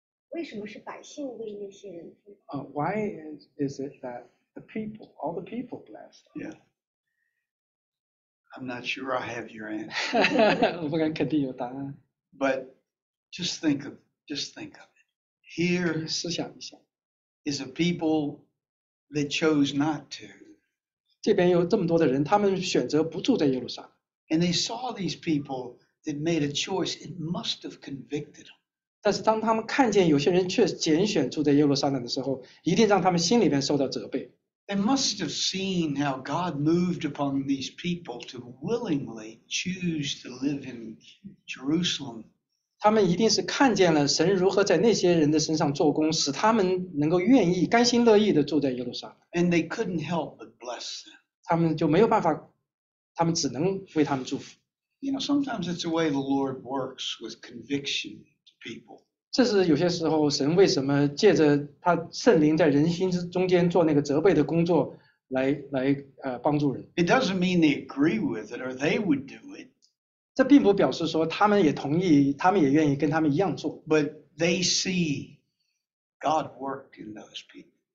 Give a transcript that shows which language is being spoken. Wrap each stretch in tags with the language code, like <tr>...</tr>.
<en>Why is it that the people, all the people blessed? Yeah. I'm not sure I have your answer. But just think of it. Here is a people that chose not to.</en> <zh>这边有这么多的人, 他们选择不住在耶路撒冷。</zh> <en>And they saw these people that made a choice, it must have convicted them.</en> <zh>但是当他们看见有些人却拣选住在耶路撒冷的时候, 一定让他们心里面受到责备。</zh> <en>They must have seen how God moved upon these people to willingly choose to live in Jerusalem.</en> <zh>他们一定是看见了神如何在那些人的身上做工, 使他们能够愿意, 甘心乐意地住在耶路撒冷。</zh> <en>And they couldn't help but bless them.</en> <zh>他们就没有办法, 他们只能为他们祝福。</zh> <en>You know, sometimes it's the way the Lord works with conviction to people.</en> <zh>这是有些时候神为什么借着他圣灵在人心之中间做那个责备的工作来帮助人。</zh> <en>It doesn't mean they agree with it or they would do it.</en> <zh>这并不表示说他们也同意, 他们也愿意跟他们一样做。</zh> <en>But they see God worked in those people.</en>